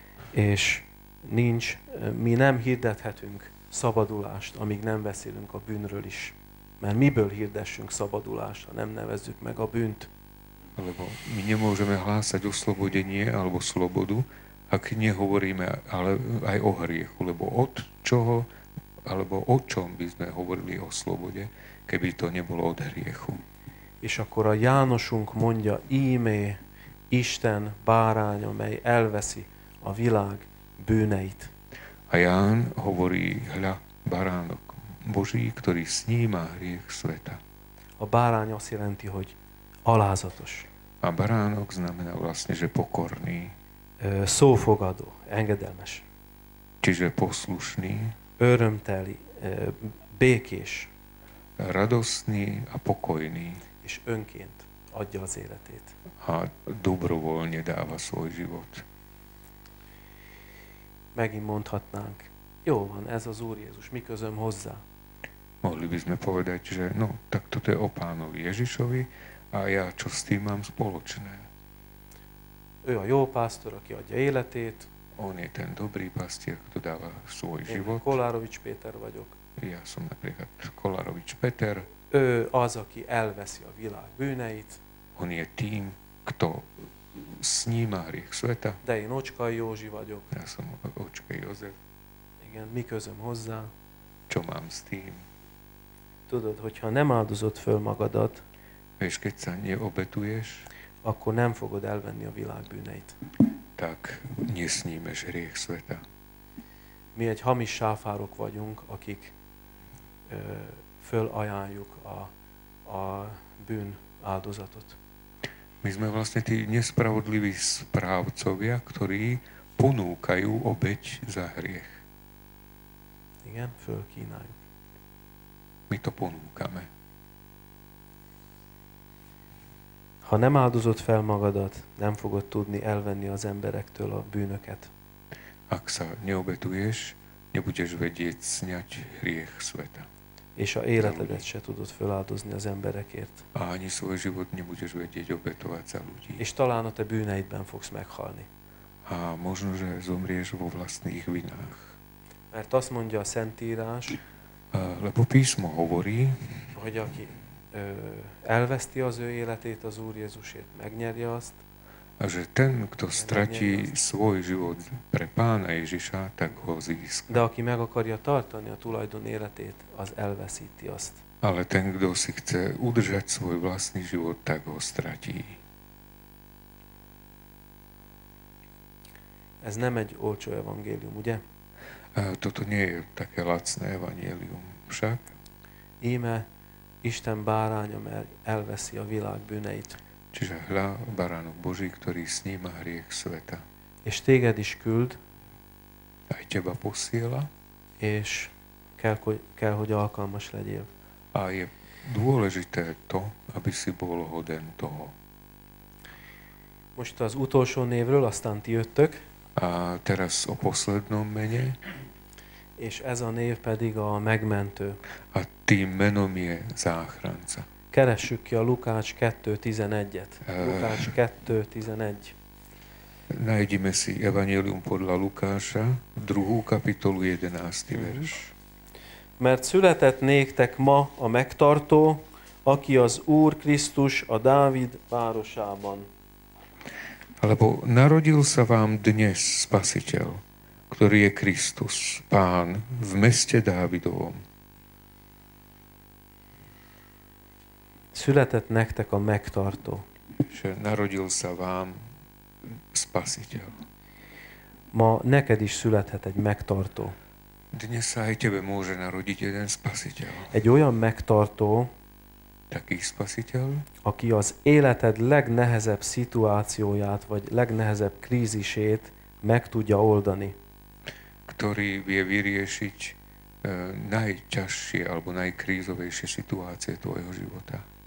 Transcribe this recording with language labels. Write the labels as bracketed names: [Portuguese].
[Hungarian] És nincs, mi nem hirdethetünk szabadulást, amíg nem beszélünk a bűnről is. Mert miből hirdessünk szabadulást, ha nem nevezzük meg a bűnt? [Slovak] Alebo mi nemôžeme hlásať oslobodenie alebo slobodu, ak nehovoríme ale aj o hriechu, lebo od čoho, alebo o čom by sme hovorili o slobode, keby to nebolo od hriechu. [Hungarian] És akkor a Jánosunk mondja, íme Isten báránya, mely elveszi a világ bűneit. [Slovak] A Ján hovorí, hľa, baránok, Boží, ktorý sníma hriech sveta. [Hungarian] A bárány azt jelenti, hogy alázatos. [Slovak] A baránok znamená vlastne, že pokorný. [Hungarian] Szófogadó, engedelmes. [Slovak] Čiže poslušný. [Hungarian] Örömteli, békés. [Slovak] Radosný a pokojný. [Hungarian] És önként adja az életét. [Slovak] A dobrovoľne dáva svoj život. [Hungarian] Megint mondhatnánk, jó van, ez az Úr Jézus, mi közöm hozzá? [Slovak] Mohli by sme povedať, že no, tak toto je o Pánovi Ježišovi a ja čo s tým mám spoločné. [Hungarian] Ő a jó pásztor, aki adja életét. [Slovak] On je ten dobrý pastier, kto dáva svoj život. [Hungarian] Én Kolárovics Péter vagyok. [Slovak] Ja som napríklad Kolárovics Péter. [Hungarian] Ő az, aki elveszi a világ bűneit. [Slovak] On je tým, kto sníma hriech sveta. [Hungarian] De én Ocskai Józsi vagyok. [Slovak] Ja som Ocskai József. [Hungarian] Igen, mi közöm hozzá. [Slovak] Čo mám s tým? [Hungarian] Tudod, hogyha nem áldozod föl magadat, és kétszer nyilvobetújés, akkor nem fogod elvenni a világ bűneit. [Slovak] tak nesníme hriech sveta. [Hungarian] Mi egy hamis sáfárok vagyunk, akik fölajánljuk a bűn áldozatot. [Slovak] My sme vlastne tí nespravodliví správcovia, ktorí ponúkajú obeť za hriech. [Hungarian] Igen, fölkínáljuk. [Slovak] My to ponúkame. [Hungarian] Ha nem áldozod fel magadat, nem fogod tudni elvenni az emberektől a bűnöket. [Slovak] Ak sa neobetuješ, nebudeš vedieť sňať hriech sveta. [Hungarian] És a életedet se tudod feláldozni az emberekért. [Slovak] A ani svoj život nebudeš vedieť obetovať za ľudí. [Hungarian] És talán a te bűneidben fogsz meghalni. [Slovak] A možno, že zomrieš vo vlastných vinách. [Hungarian] Mert azt mondja a Szentírás, [Slovak] lebo písmo hovorí, [Hungarian] hogy aki elveszti az ő életét az Úr Jézusért, megnyerje azt. [Slovak] A že ten, kto stratí svoj život pre Pána Ježiša, tak ho získa. [Hungarian] De aki meg akarja tartani a tulajdon életét, az elveszíti azt. [Slovak] Ale ten, kto si chce udržať svoj vlastný život, tak ho stratí. [Hungarian] Ez nem egy olcsó evangélium, ugye? [Slovak] Toto nie je také lacné evangélium, však. [Hungarian] Íme Isten báránya, mert elveszi a világ bűneit. [Slovak] Čiže hľa baránok Boží, ktorý sníma hriech sveta. [Hungarian] És téged is küld. [Slovak] Aj teba posiela. [Hungarian] És kell, hogy alkalmas legyél. [Slovak] A je dôležité to, aby si bol hoden toho. [Hungarian] Most az utolsó névről, aztán ti jöttök. [Slovak] A teraz o poslednom mene. [Hungarian] És ez a név pedig a megmentő. [Slovak] A tým menom je záchranca. [Hungarian] Keressük ki a Lukács 2.11-et. Lukács 2.11. [Slovak] Nájdime si Evangélium podľa Lukáša, 2. kapitolu 11. vers. [Hungarian] Mert született néktek ma a megtartó, aki az Úr Krisztus a Dávid városában. [Slovak] Alebo narodil sa vám dnes Spasiteľ, ktorý je Kristus, Pán, v meste Dávidovom. [Hungarian] Született nektek a megtartó. [Slovak] Že narodil sa vám Spasiteľ. [Hungarian] Ma neked is születhet egy megtartó. [Slovak] Dnes sa aj tebe môže narodiť jeden Spasiteľ. [Hungarian] Egy olyan megtartó, [Slovak] taký Spasiteľ, [Hungarian] aki az életed legnehezebb szituációját, vagy legnehezebb krízisét meg tudja oldani. [Slovak] Ktorý vie vyriešiť najťažšie alebo najkrízovejšie situácie tvojho života.